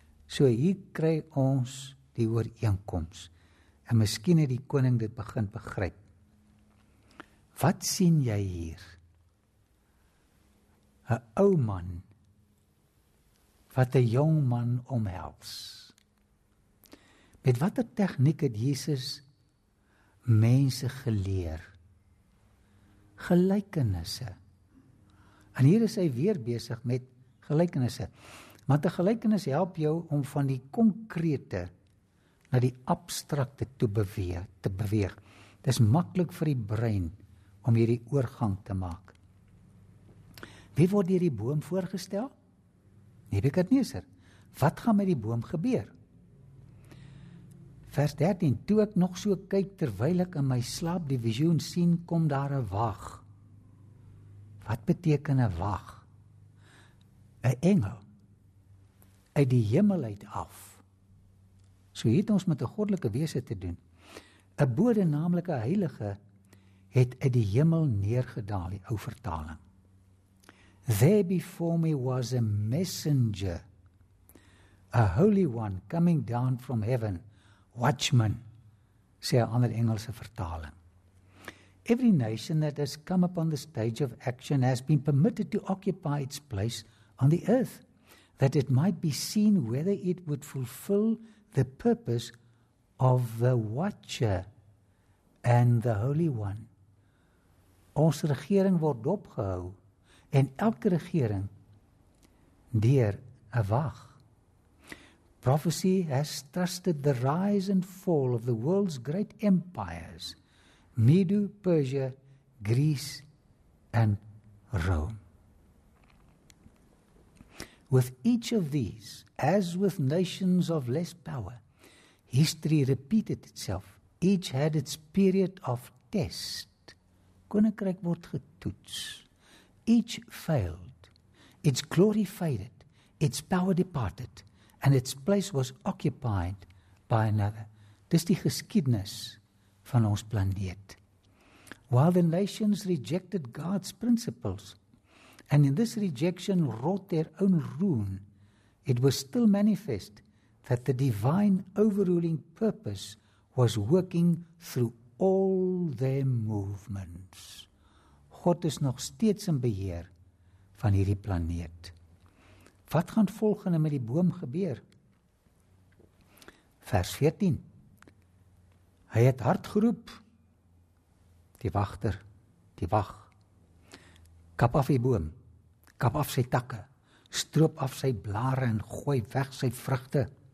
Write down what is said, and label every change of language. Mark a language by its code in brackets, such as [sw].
[af] So hier kry ons die ooreenkoms. En miskien het die koning dit begin begryp. Wat sien jy hier? 'N Ou man wat 'n jong man omhels. Met watter tegniek het Jesus mense geleer? Gelykenisse. En hier is hy weer besig met gelykenisse. Want 'n gelykenis help jou om van die konkrete na die abstrakte te beweeg. Dis maklik vir die brein om hierdie oorgang te maak. Wie word hier die boom voorgestel? Nebukadneser. Wat gaan met die boom gebeur? Vers 13, toe ek nog so kyk terwyl ek in my slaap die visioen sien, kom daar 'n wag. Wat beteken 'n wag? 'N Engel uit die hemel uit af. So het ons met 'n goddelike wese te doen. 'N bode, naamlik 'n heilige, het uit die hemel neergedaal, die ou vertaling. [en] There before me was a messenger, a holy one coming down from heaven, watchman, [af] sê 'n ander Engelse vertaling. [en] Every nation that has come upon the stage of action has been permitted to occupy its place on the earth, that it might be seen whether it would fulfill the purpose of the watcher and the holy one. [af] Ons regering word opgehou, en elke regering deur 'n wag. [en] Prophecy has trusted the rise and fall of the world's great empires, Medo, Persia, Greece and Rome. With each of these, as with nations of less power, history repeated itself. Each had its period of test. [af] Koninkryk word getoets. [en] Each failed, its glory faded, its power departed, and its place was occupied by another. [af] Dis die geskiedenis van ons planeet. [en] While the nations rejected God's principles, and in this rejection wrought their own ruin, it was still manifest that the divine overruling purpose was working through all their movements. [af] God is nog steeds in beheer van hierdie planeet. Wat gaan volgende met die boom gebeur? Vers 14. Hy het hard geroep, die wachter, die wag. Kap af die boom, kap af sy takke, stroop af sy blare en gooi weg sy vrugte.